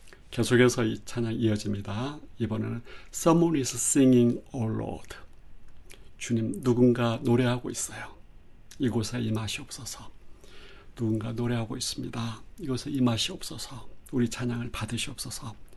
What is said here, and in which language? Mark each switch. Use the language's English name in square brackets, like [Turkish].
[Korean] 계속해서 이 찬양 이어집니다. 이번에는 [English] Someone is singing, O Lord. [Korean] 주님, 누군가 노래하고 있어요. 이곳에 임하시옵소서. 누군가 노래하고 있습니다. 이곳에 임하시옵소서. 우리 찬양을 받으시옵소서.